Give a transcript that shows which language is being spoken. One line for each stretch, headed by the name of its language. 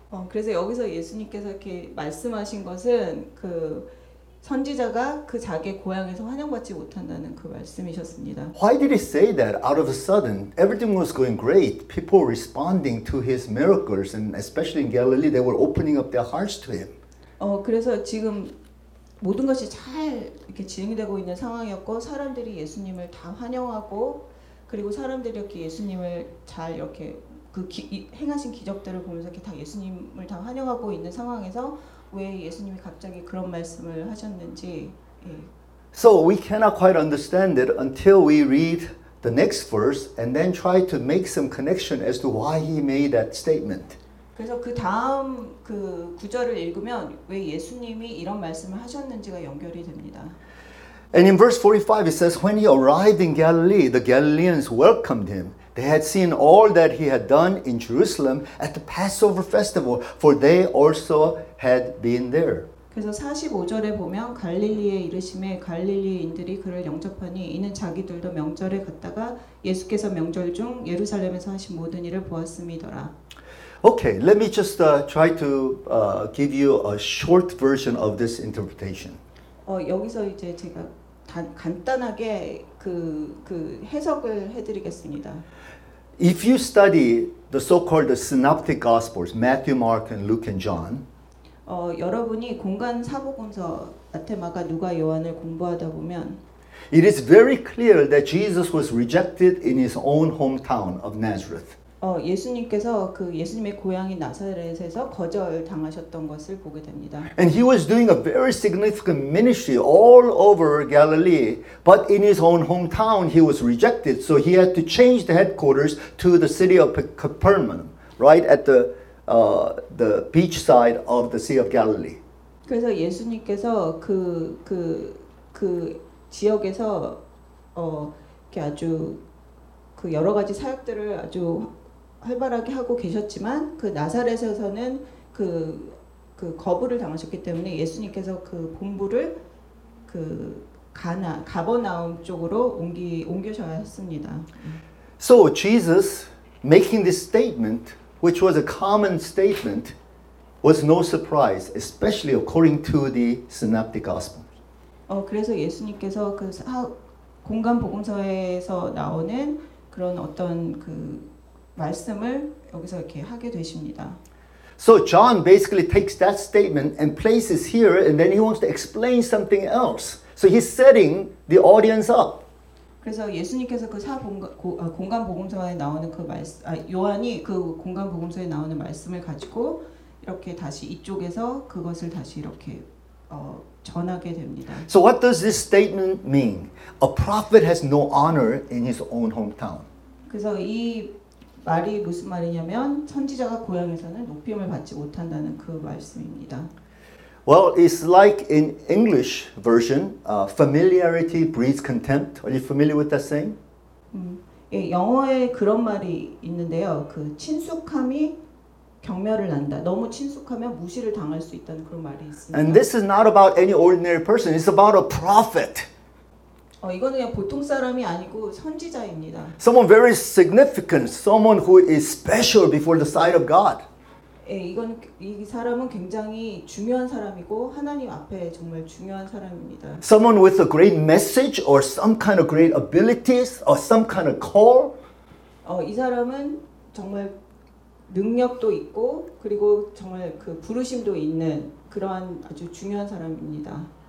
Korean: 그래서 여기서 예수님께서 이렇게 말씀하신 것은 그 선지자가 그 자기 고향에서 환영받지 못한다는 그 말씀이셨습니다.
English: Why did he say that out of a sudden? Everything was going great. People responding to his miracles, and especially in Galilee, they were opening up their hearts to him.
Korean: 그래서 지금 모든 것이 잘 이렇게 진행되고 있는 상황이었고 사람들이 예수님을 다 환영하고 그리고 사람들이 이렇게 예수님을 잘 이렇게 그 행하신 기적들을 보면서 이렇게 다 예수님을 다 환영하고 있는 상황에서 왜 예수님이 갑자기 그런 말씀을 하셨는지
English: So we cannot quite understand it until we read the next verse and then try to make some connection as to why he made that statement.
Korean: 그래서 그 다음 그 구절을 읽으면 왜 예수님이 이런 말씀을 하셨는지가 연결이 됩니다.
English: And in verse 45 it says when he arrived in Galilee the Galileans welcomed him. They had seen all that he had done in Jerusalem at the Passover festival for they also had been there.
Korean: 그래서 45절에 보면 갈릴리에 이르심에 갈릴리인들이 그를 영접하니 이는 자기들도 명절에 갔다가 예수께서 명절 중 예루살렘에서 하신 모든 일을 보았음이더라.
English: Okay, let me just try to give you a short version of this interpretation.
Korean: 여기서 이제 제가 간단하게 그 해석을 해드리겠습니다.
English: If you study the so-called synoptic gospels, Matthew, Mark, and Luke, and John,
Korean: 여러분이 공간 사복음서 마태마가 누가 요한을 공부하다 보면,
English: it is very clear that Jesus was rejected in his own hometown of Nazareth.
Korean: 예수님께서 그 예수님의 고향인 나사렛에서 거절당하셨던 것을 보게 됩니다.
English: And he was doing a very significant ministry all over Galilee, but in his own hometown he was rejected. So he had to change the headquarters to the city of Capernaum, right at the beach side of the Sea of Galilee.
Korean: 그래서 예수님께서 그 지역에서 이렇게 아주 그 여러 가지 사역들을 아주 활발하게 하고 계셨지만 그 나사렛에서는 그 거부를 당하셨기 때문에 예수님께서 그 본부를 그 가나 가버나움 쪽으로 옮겨셔야 했습니다.
English: So Jesus making this statement, which was a common statement, was no surprise, especially according to the synoptic gospel.
Korean: 그래서 예수님께서 그 공간 복음서에서 나오는 그런 어떤 그 말씀을 여기서 이렇게 하게 되십니다.
English: So John basically takes that statement and places here and then he wants to explain something else. So he's setting the audience up.
Korean: 그래서 예수님께서 그 공간 복음서에 나오는 그 말씀, 요한이 그 공간 복음서에 나오는 말씀을 가지고 이렇게 다시 이쪽에서 그것을 다시 이렇게 전하게 됩니다.
English: So what does this statement mean? A prophet has no honor in his own hometown.
Korean: 그래서 이 말이 무슨 말이냐면 선지자가 고향에서는 높임을 받지 못한다는 그 말씀입니다.
English: Well, it's like in English version, familiarity breeds contempt. Are you familiar with that saying?
Korean: 예, 영어에 그런 말이 있는데요. 그 친숙함이 경멸을 난다. 너무 친숙하면 무시를 당할 수 있다는 그런 말이 있습니다.
English: And this is not about any ordinary person. It's about a prophet.
Korean: 이거는 그냥 보통 사람이 아니고 선지자입니다.
English: Someone very significant, someone who is special before the sight of God.
Korean: 예, 이건 이 사람은 굉장히 중요한 사람이고 하나님 앞에 정말 중요한 사람입니다.
English: Someone with a great message or some kind of great abilities or some kind of call.
Korean: 이 사람은 정말 능력도 있고 그리고 정말 그 부르심도 있는 그러한 아주 중요한 사람입니다.